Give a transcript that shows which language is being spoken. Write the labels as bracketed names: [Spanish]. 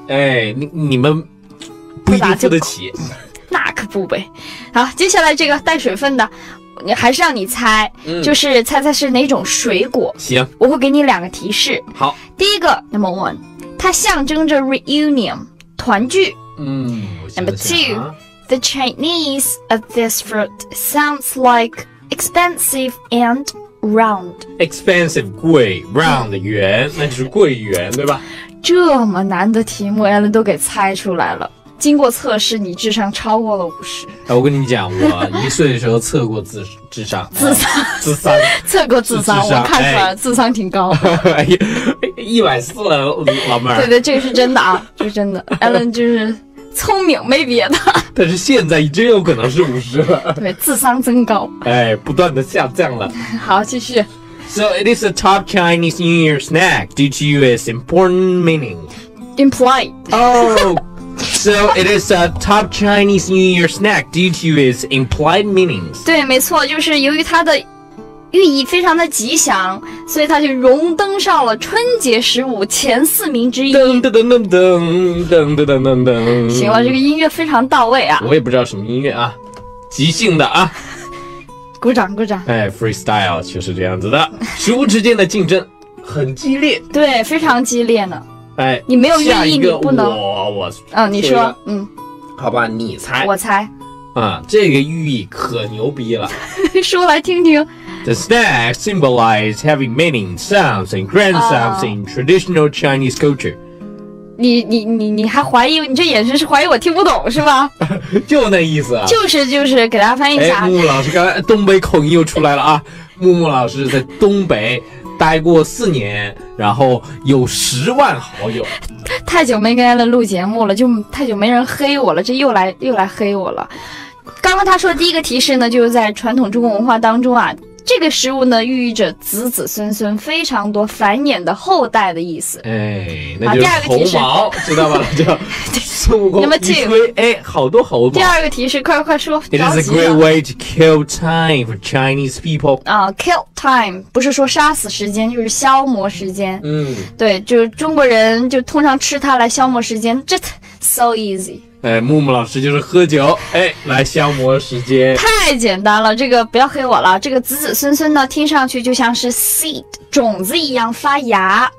[Chinese] 哎，你们不一定付得起。那可不呗。好，接下来这个带水分的你还是让你猜、就是猜猜是哪种水果。行，我会给你两个提示。好，第一个 [English] number one， [Chinese] 它象征着 reunion 团聚。 [English] number two， the Chinese of this fruit sounds like expensive and round。 [Chinese] expensive 贵， round 圆、那就是桂圆对吧。这么难的题目 Alan 都给猜出来了，经过测试你智商超过了50。我跟你讲，我一岁的时候测过智商。智商。测过智商。我看出来了、智商挺高的。140了老妹儿。对对，这个是真的啊，这是真的。Alan 就是聪明没别的。但是现在已经有可能是50了。对，智商增高。哎，不断的下降了。好，继续。 [English] So it is a top Chinese New Year snack due to its important meaning. Implied. So it is a top Chinese New Year snack due to its implied meanings. [Chinese] 对，没错，就是由于它的寓意非常的吉祥，所以它就荣登上了春节食物前四名之一。噔噔噔噔噔噔噔噔噔噔。行了，这个音乐非常到位啊。我也不知道什么音乐啊，即兴的啊。鼓掌，鼓掌。哎 ，freestyle 就是这样子的，食物之间的竞争很激烈。对，非常激烈呢。哎，你没有愿意，你不能。我，你说，好吧，你猜，我猜，这个寓意可牛逼了，说来听听。 [English] The snack symbolizes having many sounds and grand sounds in traditional Chinese culture. [Chinese] 你还怀疑，你这眼神是怀疑我听不懂是吧？就那意思啊。就是，给大家翻译一下。哎，木木老师，刚才东北口音又出来了啊！木木老师在东北。待过4年，然后有10万好友。太久没跟 Alan 录节目了，就太久没人黑我了，这又来黑我了。刚刚他说的第一个提示呢，就是在传统中国文化当中啊，这个食物呢，寓意着子子孙孙非常多繁衍的后代的意思。哎，那就是猴毛，知道吗？孙悟空一吹，哎，好多猴毛。第二个提示，快快说。 [English] It is a great way to kill time for Chinese people. [Chinese] 啊、，kill time 不是说杀死时间，就是消磨时间。嗯，对，就是中国人就通常吃它来消磨时间 ， [English] just so easy。 [Chinese] 哎，木木老师就是喝酒，哎，来消磨时间。太简单了，这个不要黑我了。这个子子孙孙呢，听上去就像是 seed 种子一样发芽。